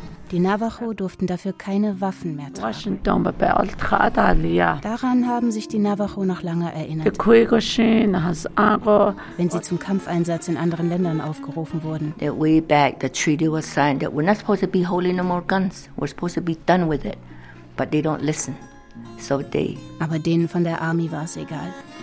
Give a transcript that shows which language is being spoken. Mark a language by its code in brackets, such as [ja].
[de] Die Navajo durften dafür keine Waffen mehr tragen. Daran haben sich die Navajo noch lange erinnert, wenn sie zum Kampfeinsatz in anderen Ländern aufgerufen wurden. [en] Way back, the treaty was signed that we're not supposed to be holding no more guns. We're supposed to be done with it. But they don't listen. So they. [de] Aber denen von der Army war es egal.